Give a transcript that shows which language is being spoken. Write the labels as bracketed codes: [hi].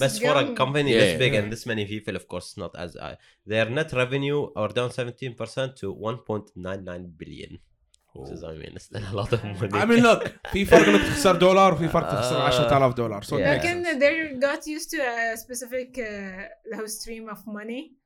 [en] بس for a company this big and this many people of course not as I their net revenue are down 17% to 1.99 billion I mean, [ar] look, في فرق إنك تخسر دولار وفي فرق تخسر 10,000 دولار. [en] لكن they got used to a specific stream of money.